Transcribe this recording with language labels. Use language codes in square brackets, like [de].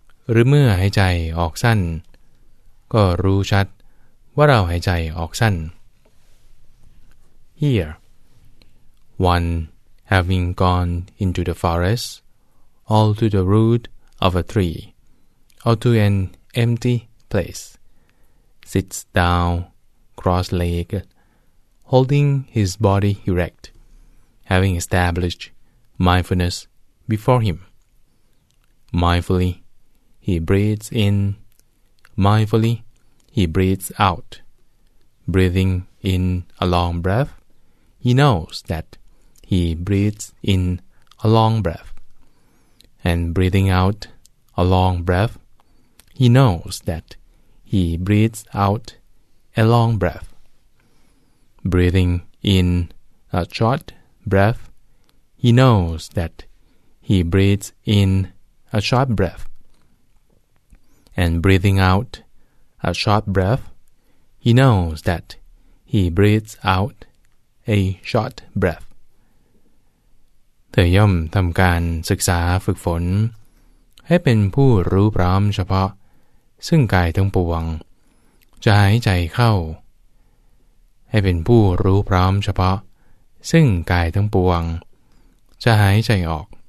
[th] หรือเมื่อหายใจออกสั้นก็รู้ชัดว่าเราหายใจออกสั้น [en] Here, one having gone into the forest, all to the root of a tree, or to an empty place. Sits down, cross-legged, holding his body erect, having established mindfulness before him. Mindfully, he breathes in. Mindfully, he breathes out. Breathing in a long breath, he knows that he breathes in a long breath. And breathing out a long breath, he knows thatHe breathes out a long breath. Breathing in a short breath, he knows that he breathes in a short breath. And breathing out a short breath, he knows that he breathes out a short breath. [th] เธอย่อมทำการศึกษาฝึกฝนให้เป็นผู้รู้พร้อมเฉพาะซึ่งกายทั้งปวงจะหายใจเข้าให้เป็นผู้รู้พร้อมเฉพาะซึ่งกายทั้งปวงจะหายใจออก